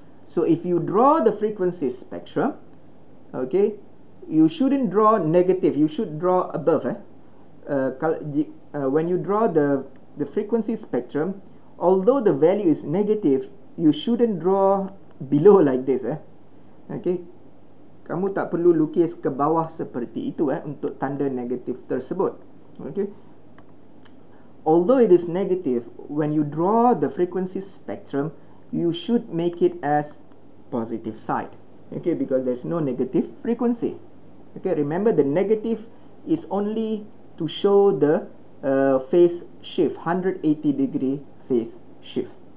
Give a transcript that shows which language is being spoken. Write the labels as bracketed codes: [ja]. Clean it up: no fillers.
[en] So if you draw the frequency spectrum, okay, you shouldn't draw negative. You should draw above. When you draw the frequency spectrum, although the value is negative, you shouldn't draw below like this. [ms] Okay, kamu tak perlu lukis ke bawah seperti itu untuk tanda negatif tersebut. [en] Okay, although it is negative, when you draw the frequency spectrum, you should make it as positive side, okay, because there's no negative frequency. Okay, remember the negative is only to show the phase shift, 180 degree phase shift.